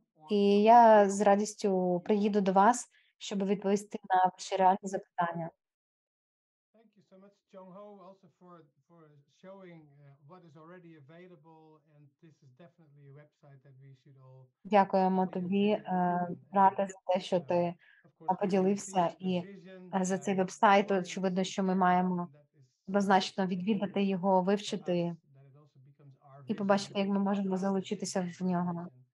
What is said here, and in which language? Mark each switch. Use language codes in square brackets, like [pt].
[uk] І я з радістю приїду до вас, щоб відповісти на ваші реальні запитання. Дякую. [en] Jung Ho, also for showing what is already available, and this is definitely a website that we should all. [uk] Дякуємо тобі, брате, за те, що ти поділився, і за цей веб-сайт, очевидно, що ми маємо однозначно відвідати його, вивчити і побачити, як ми можемо залучитися в нього.